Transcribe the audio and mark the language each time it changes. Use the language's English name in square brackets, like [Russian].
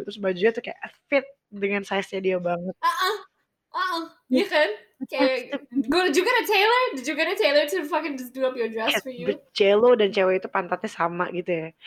[Indonesian] Terus bajunya tuh kayak fit dengan size-nya dia banget. Iya kan? [English] Okay. Did you get a tailor? Did you get a tailor to fucking just do up your dress for you? [Indonesian] J-Lo dan cewek itu pantatnya sama gitu ya.